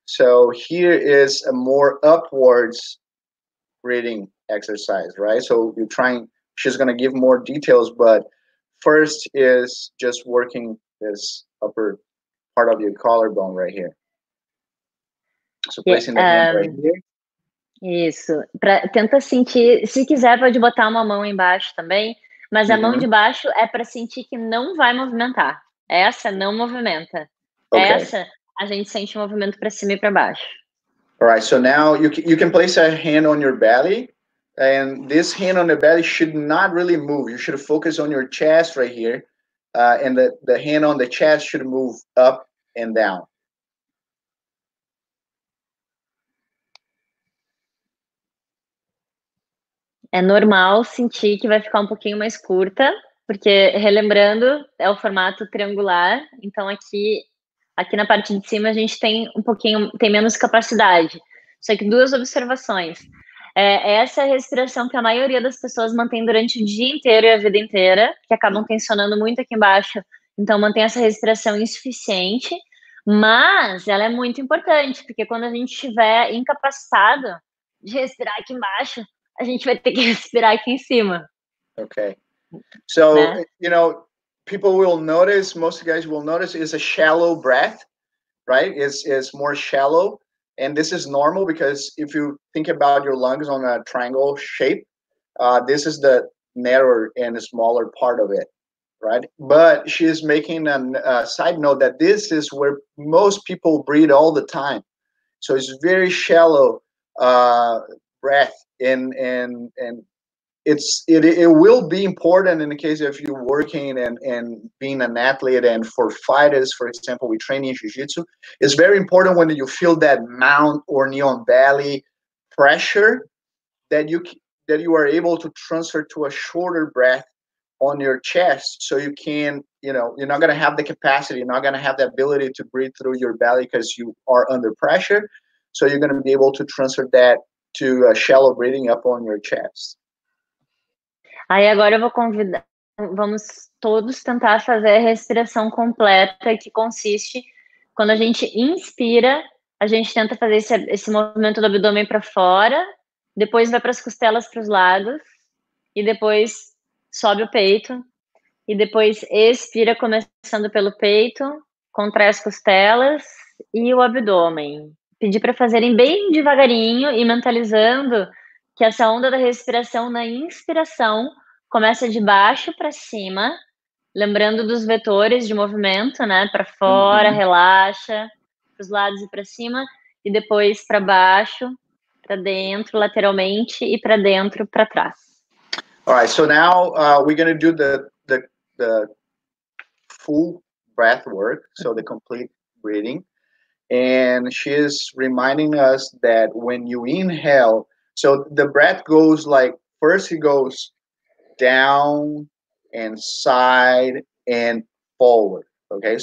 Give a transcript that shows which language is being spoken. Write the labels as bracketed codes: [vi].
[en] So here is a more upwards breathing exercise, right? So you're trying, she's going to give more details, but first is just working this upper part of your collarbone right here. So placing the hand right here. [pt] Isso. Tenta sentir, se quiser pode botar uma mão embaixo também. Mas a mão de baixo é para sentir que não vai movimentar. Essa não movimenta. Okay. Essa, a gente sente o movimento para cima e para baixo. [en] All right, so now you can place a hand on your belly. And this hand on the belly should not really move. You should focus on your chest right here. And the hand on the chest should move up and down. [pt] É normal sentir que vai ficar um pouquinho mais curta, porque, relembrando, é o formato triangular. Então, aqui na parte de cima, a gente tem um pouquinho, tem menos capacidade. Só que duas observações. Essa é a respiração que a maioria das pessoas mantém durante o dia inteiro e a vida inteira, que acabam tensionando muito aqui embaixo. Então, mantém essa respiração insuficiente. Mas ela é muito importante, porque quando a gente estiver incapacitado de respirar aqui embaixo, a gente vai ter que respirar aqui em cima. [en] Okay. So, né? You know, people will notice, most guys will notice, it's a shallow breath, right? It's more shallow. And this is normal because if you think about your lungs on a triangle shape, this is the narrower and smaller part of it, right? But she is making a side note that this is where most people breathe all the time. So it's very shallow breath. And it will be important in the case of you working and being an athlete and for fighters, for example, we train in jiu-jitsu. It's very important when you feel that mount or neon belly pressure that you are able to transfer to a shorter breath on your chest, so you can, you know, you're not going to have the capacity, you're not going to have the ability to breathe through your belly because you are under pressure. So you're going to be able to transfer that to a shallow breathing up on your chest. [pt] Aí agora eu vou convidar, vamos todos tentar fazer a respiração completa, que consiste, quando a gente inspira, a gente tenta fazer esse movimento do abdômen para fora, depois vai para as costelas, para os lados, e depois sobe o peito, e depois expira, começando pelo peito, contrai as costelas e o abdômen. Pedir para fazerem bem devagarinho e mentalizando que essa onda da respiração na inspiração começa de baixo para cima, lembrando dos vetores de movimento, né? Para fora, uhum. Relaxa, para os lados e para cima, e depois para baixo, para dentro, lateralmente, e para dentro, para trás. [en] All right, so now we're going to do the full breath work, so the complete breathing. And she is reminding us that when you inhale, so the breath goes like, first it goes down and side and forward, okay?